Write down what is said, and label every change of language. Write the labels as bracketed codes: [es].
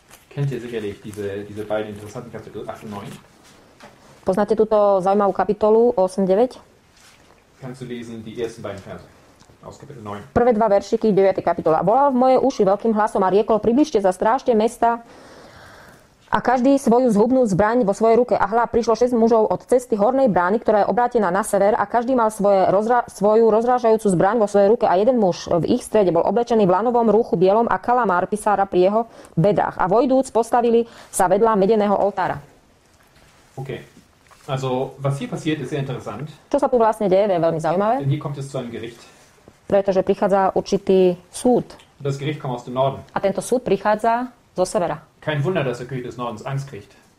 [de] Kennt ihr sicherlich diese beiden interessanten Kapitel 8 und 9? [sk] Poznáte túto zaujímavú kapitolu 8-9? [de] Kannst du lesen die ersten beiden Verse aus Kapitel 9? [sk] Prvé dva veršiky 9. kapitola. Volal v moje uši veľkým hlasom a riekol, približte sa, strážte mesta a každý svoju zhubnú zbraň vo svojej ruke. A hľa, prišlo 6 mužov od cesty hornej brány, ktorá je obrátená na sever a každý mal svoju rozrážajúcu zbraň vo svojej ruke a jeden muž v ich strede bol oblečený v lanovom rúchu bielom a kalamár pisára pri jeho bedrách. A vojdúc postavili sa vedľa medeného oltára. OK. [de] Also, was hier passiert, ist sehr interessant. [sk] Čo sa tu vlastne deje, je veľmi zaujímavé. [de] Denn hier kommt es zu einem Gericht. [sk] Pretože prichádza určitý súd. [de] Das Gericht kommt aus dem Norden. [sk] A tento súd prichádza zo severa. [de] Kein Wunder, dass der König des Nordens Angst kriegt.